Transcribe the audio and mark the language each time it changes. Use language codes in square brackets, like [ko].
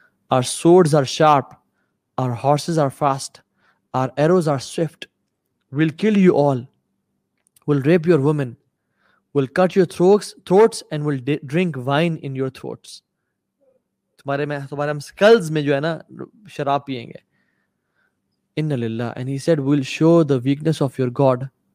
[en] Our swords are sharp, our horses are fast, our arrows are swift. We'll kill you all. We'll rape your women. We'll cut your throats and we'll drink wine in your throats. [ur] تمہارے skulls میں جو ہے نا شراب پیئیں گے. [ar] Inna lillah. [en] And he said, we'll show the weakness of your God.